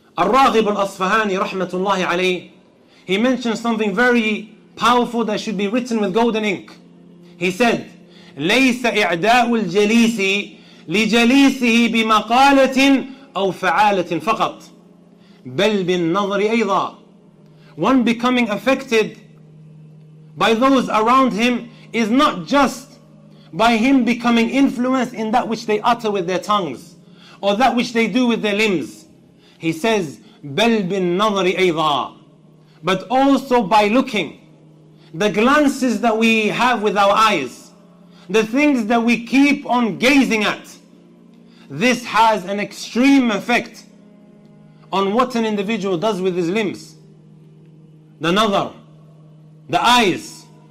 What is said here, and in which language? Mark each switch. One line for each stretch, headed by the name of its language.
English: Al-Raghib al-Asfahani rahmatullahi alayh, he mentioned something very powerful that should be written with golden ink. He said,
Arabic: لَيْسَ إِعْدَاءُ الْجَلِيسِ لِجَلِيسِهِ بِمَقَالَةٍ أَوْ فَعَالَةٍ فَقَطْ بَلْ بِالنَّظْرِ أَيْضًا.
English: One becoming affected by those around him is not just by him becoming influenced in that which they utter with their tongues or that which they do with their limbs. He says,
Arabic: بَلْ بِالنَّظْرِ أَيْضًا.
English: But also by looking. The glances that we have with our eyes, the things that we keep on gazing at, this has an extreme effect on what an individual does with his limbs. The nazar, the eyes.